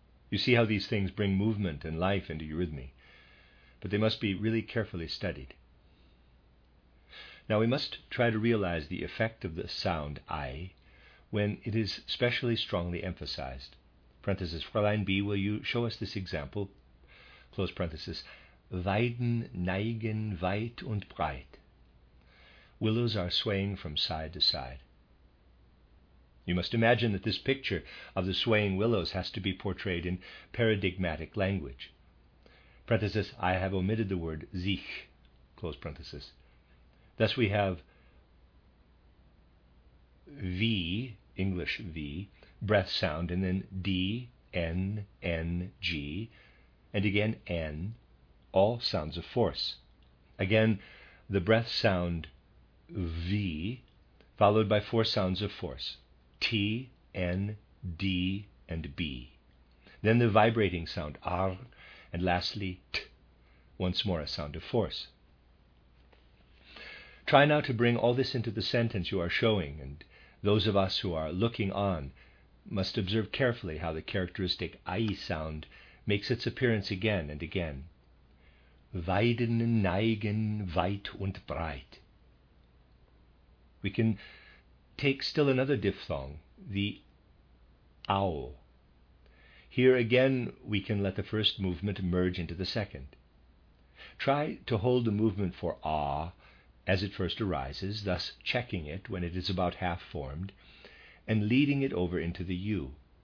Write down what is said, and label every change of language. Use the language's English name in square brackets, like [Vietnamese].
[English] You see how these things bring movement and life into eurythmy, but they must be really carefully studied. Now we must try to realize the effect of the sound I when it is specially strongly emphasized. Parenthesis, Fräulein B, will you show us this example? Close parenthesis, [German] Weiden neigen weit und breit. [English] willows are swaying from side to side. You must imagine that this picture of the swaying willows has to be portrayed in paradigmatic language. Parenthesis, I have omitted the word sich, close parenthesis. Thus we have V, English V, breath sound, and then D, N, N, G, and again N, all sounds of force. Again, the breath sound V, followed by four sounds of force, T, N, D, and B. Then the vibrating sound R, and lastly T, once more a sound of force. Try now to bring all this into the sentence you are showing, and those of us who are looking on must observe carefully how the characteristic I sound makes its appearance again and again. [German] Weiden neigen weit und breit. [English] We can take still another diphthong, the au. Here again we can let the first movement merge into the second. Try to hold the movement for ah as it first arises, thus checking it when it is about half formed, and leading it over into the U.